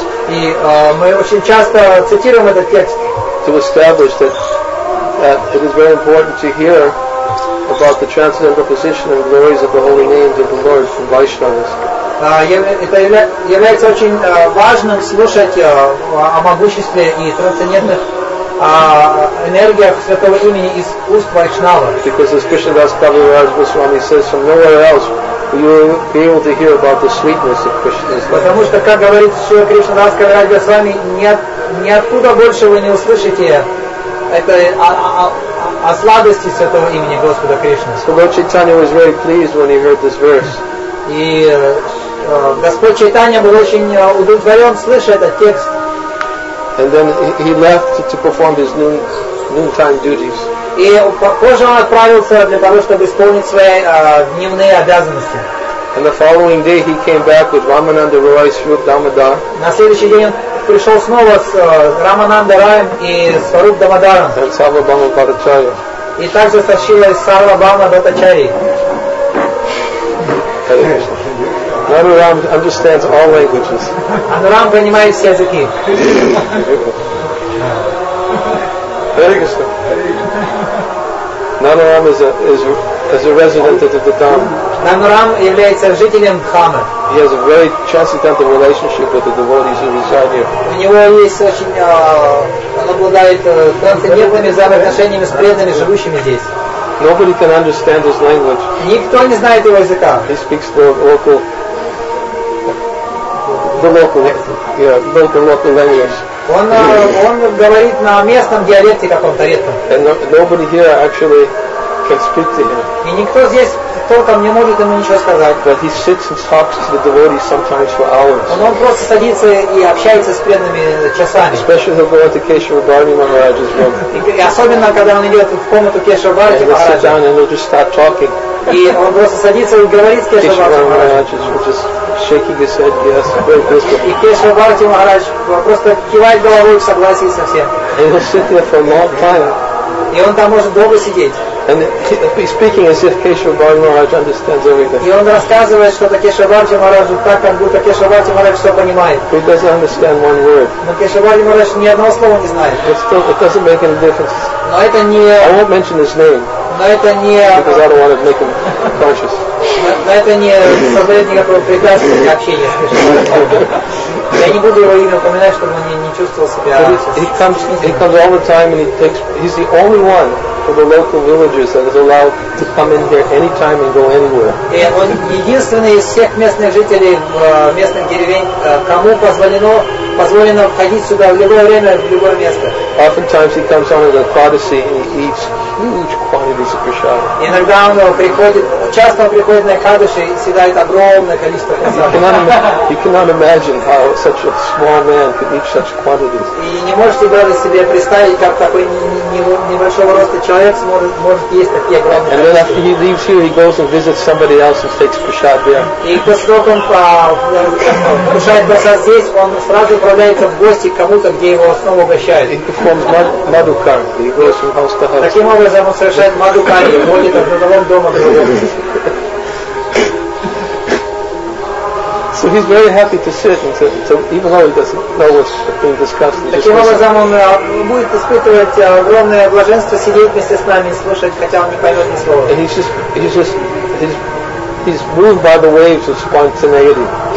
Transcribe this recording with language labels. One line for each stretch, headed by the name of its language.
Russian: И мы очень часто цитируем этот текст.
English: To establish that it is very important to hear about the transcendental position and glories of the holy names of the Lord from Vaishnavas.
Russian: Это является очень важным слушать о могуществе и трансцендентных энергиях Святого имени из уст Вайшнава.
English: Because as Krishna Das Kaviraj Goswami says, from nowhere else you will be able to hear about the sweetness of Krishna's love.
Russian: Потому что, как говорит Шрила Кришна Дас Кавирадж Госвами, ниоткуда больше вы не услышите о сладости Святого имени Господа Кришны.
English: So Lord Chaitanya was very pleased when he heard this verse.
Russian: И Господь Чайтанья был очень удовлетворен, слыша этот текст.
English: And then he left to perform his noontime duties.
Russian: И позже он отправился для того, чтобы исполнить свои дневные обязанности.
English: And the following day he came back with Ramananda Rai Swarup Damodar.
Russian: На следующий день он пришел снова с Рамананда Раем и Сваруп Дамодаром.
English: And Сарва Бама Бхаттачарья.
Russian: И также со Шрилой Сарва Бама Бхаттачарьей.
English: Hare Krishna. Nanu Ram understands all languages.
Russian: Anuram понимает все языки.
English: Hare Krishna. Nanu Ram is a resident of the Dham.
Russian: Nanu Ram является жителем Дхамы.
English: He has a very transcendental relationship with the devotees who reside here.
Russian: У него есть очень, он обладает трансцендентными взаимоотношениями с преданными, живущими здесь.
English: Nobody can understand his language.
Russian: Никто не знает его языка.
English: He speaks the local language.
Russian: Он говорит на местном диалекте каком-то редком.
English: And nobody here actually can speak to him.
Russian: И никто здесь толком не может ему ничего сказать.
English: But he sits and talks to the devotees sometimes for hours.
Russian: Он просто садится и общается с преданными часами.
English: Especially he'll go into Kesava Bharati Maharaj's room.
Russian: И особенно когда он идет в комнату Кешава Бхарати Махараджа.
English: And he'll sit down and he'll just start talking.
Russian: И он просто садится и говорит с Кешава
English: Бхарати Махараджа. Shaking his head, yes, very blissful.
Russian: И Кешава Бхарати Махарадж просто кивает головой в согласии со всем.
English: And he'll sit there for a long time.
Russian: И он там может долго сидеть.
English: And he's speaking as if Kesava Bharati Maharaj understands everything.
Russian: И он рассказывает что-то Кешава Бхарати Махараджу так, как будто Кешава Бхарати Махарадж все понимает.
English: But he doesn't understand one word.
Russian: Но Кешава Бхарати Махарадж ни одного слова не знает.
English: But still, it doesn't make any difference.
Russian: Но это не...
English: I won't mention his name.
Russian: Но это не...
English: Because I don't want to make him conscious.
Russian: Но это не создает никакого препятствия для общения с Кришной. Я не буду его имя упоминать, чтобы он не чувствовал себя...
English: He comes all the time and he takes... He's the only one for the local villagers that is allowed to come in here anytime and go anywhere.
Russian: И он единственный из всех местных жителей местных деревень, кому позволено входить сюда в любое время, в любое место.
English: Oftentimes he comes on as a codicil and he eats huge quantities of prasadam.
Russian: Иногда он приходит, часто он приходит на кадыши и съедает огромное количество прасадам.
English: You cannot imagine how such a small man could eat such quantities.
Russian: И не можете даже себе представить, как такой небольшого роста человек может есть такие огромные.
English: And then after he leaves here, he goes and visits somebody else and takes prasad there.
Russian: И после того, как кушает прасад здесь, он сразу отправляется в гости к кому-то, где его снова угощают.
English: Performs madhukar. He goes from house to house.
Russian: Таким образом он совершает madhukar, и ходит от одного дома к другому.
English: So he's very happy to sit and to even though he doesn't know what's being discussed.
Russian: Таким образом он будет испытывать огромное блаженство сидеть вместе с нами и слушать, хотя он не поймет ни слова.
English: And he's moved by the waves of spontaneity.